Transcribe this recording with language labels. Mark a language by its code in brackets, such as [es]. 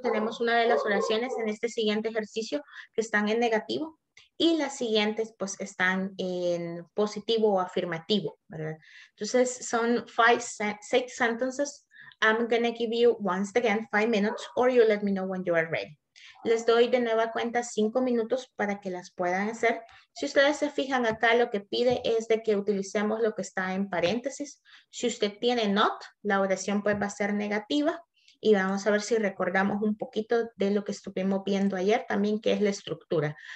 [es] Tenemos una de las oraciones en este siguiente ejercicio que están en negativo. Y las siguientes, pues, están en positivo o afirmativo, ¿verdad? Entonces, son 5, 6 sentences. [en] I'm going to give you, once again, 5 minutes, or you let me know when you are ready. [es] Les doy de nueva cuenta 5 minutos para que las puedan hacer. Si ustedes se fijan acá, lo que pide es de que utilicemos lo que está en paréntesis. Si usted tiene not, la oración, pues, va a ser negativa. Y vamos a ver si recordamos un poquito de lo que estuvimos viendo ayer también, que es la estructura.